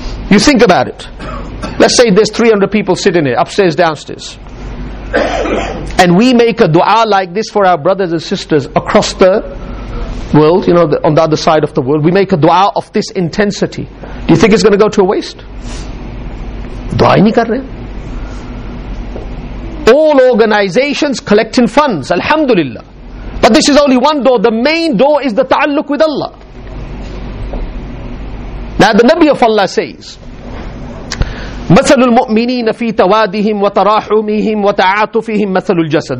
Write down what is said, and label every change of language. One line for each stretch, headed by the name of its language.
English: You think about it. Let's say there's 300 people sitting here, upstairs, downstairs. And we make a dua like this for our brothers and sisters across the world, you know, on the other side of the world. We make a dua of this intensity. Do you think it's going to go to a waste?
Urdu: دعا ہی نہیں کر رہے۔
English: All organizations collecting funds, alhamdulillah. But this is only one door. The main door is the ta'alluq with Allah. Now the Nabi of Allah says,
Arabic: مَثَلُ الْمُؤْمِنِينَ فِي تَوَادِهِمْ وَتَرَاحُمِهِمْ وَتَعَاتُفِهِمْ مَثَلُ الْجَسَدِ.